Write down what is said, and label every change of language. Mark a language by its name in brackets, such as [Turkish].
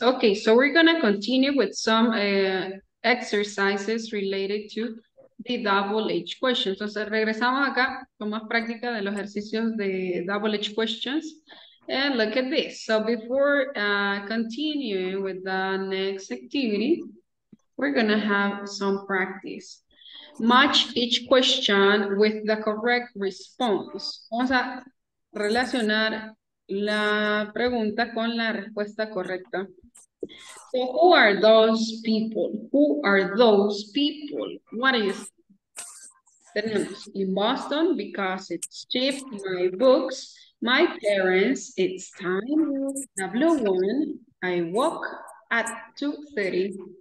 [English] Okay, so we're going to continue with some exercises related to the double H questions. [Spanish] Entonces, regresamos acá con más práctica de los ejercicios de double H questions. [English] And look at this. So before continuing with the next activity, we're going to have some practice. Match each question with the correct response. [Spanish] Vamos a relacionar la pregunta con la respuesta correcta. [English] So who are those people? Who are those people? What is tenemos in Boston because it's cheap, my books, my parents, it's time, the blue woman, I walk at 2:30.